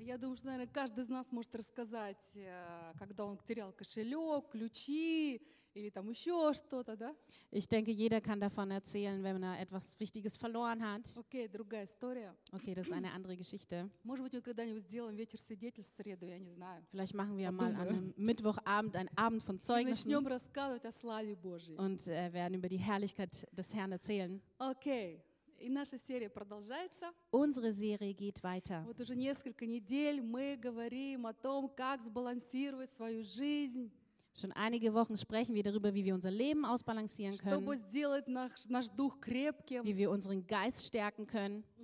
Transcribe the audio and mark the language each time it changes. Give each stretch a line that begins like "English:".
Russian: Я думаю, что, наверное, каждый из нас может рассказать, когда он потерял кошелек, ключи или там еще что-то, да?
German: Ich denke, jeder kann davon erzählen, wenn er etwas Wichtiges verloren hat.
Russian: Okay, другая история.
German: Okay, das ist eine andere Geschichte.
Russian: Может быть, мы когда-нибудь сделаем вечер свидетельств в среду, я не знаю.
German: Vielleicht machen wir mal an einem Mittwochabend einen Abend von Zeugnissen.
Russian: Начнем рассказывать о славе Божьей.
German: Und werden über die Herrlichkeit des Herrn erzählen. Okay.
Russian: И наша серия продолжается.
German: Unsere Serie geht weiter.
Russian: Вот уже несколько недель мы говорим о том, как сбалансировать свою жизнь.
German: Schon einige Wochen sprechen wir darüber, wie wir unser Leben ausbalancieren können, wie wir unseren Geist stärken können.